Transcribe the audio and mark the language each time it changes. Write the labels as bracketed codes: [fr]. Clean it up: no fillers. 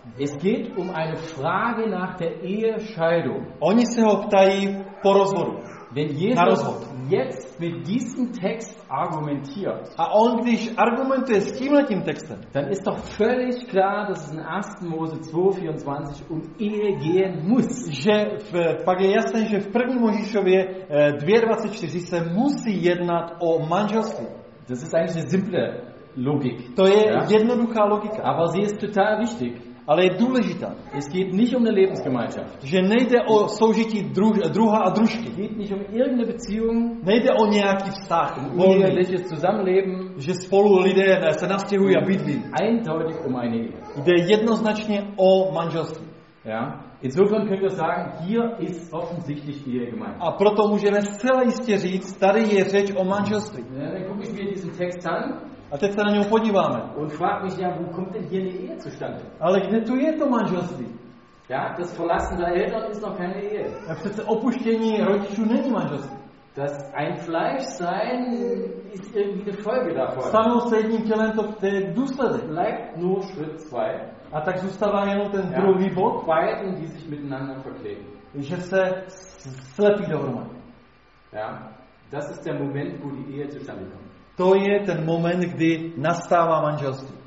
[de] Es geht um eine Frage nach der Ehescheidung. [cs] Oni se ho ptají po rozvodu. [de] Wenn Jesus jetzt mit diesem Text argumentiert, [cs] a on když argumentuje s tímhletím textem, [de] dann ist doch völlig klar, dass es in 1. Mose 2:24 um Ehe gehen muss. [cs] Že pak je jasné, že v 1. Možišově 2:24 se musí jednat o manželství. [de] Das ist eigentlich eine simple Logik. [cs] To je jednoduchá logika. [de] Aber sie ist total wichtig. [cs] Ale je důležitá. [de] Es geht nicht um eine Lebensgemeinschaft. [cs] Že nejde o soužití druha a družky. [de] Geht nicht um irgendeine Beziehung. [cs] Nejde o nějaký vztah. [de] Uneheliches Zusammenleben. [cs] Že spolu lidé se nastěhují a bydlí. [de] Eindeutig um eine Ehe. [cs] Jde jednoznačně o manželství. [de] Ja. Insofern können wir sagen, hier ist offensichtlich die Ehe gemeint. [cs] A proto můžeme zcela jistě říct, tady je řeč o manželství. [de] Ne, dann gucken wir diesen Text an. [cs] A teď se na něj podíváme. [de] Und frag mich ja, wo kommt denn hier eine Ehe zustande? [cs] Ale kde tu je to manželství? [de] Ja, das Verlassen der Eltern ist noch keine Ehe. [cs] A přece opuštění rodičů není manželství. [de] Das ein Fleisch sein ist irgendwie eine Folge davon. [cs] Stanou se jedním tělem, to je důsledek. [de] Bleibt nur Schritt 2. [cs] A tak zůstává jenom ten druhý bod. [de] Beiden, die sich miteinander verkleben. [cs] Že se slepí dohromady. [de] Ja, das ist der Moment, wo die Ehe zustande kommt. [cs] To je ten moment, kdy nastává manželství.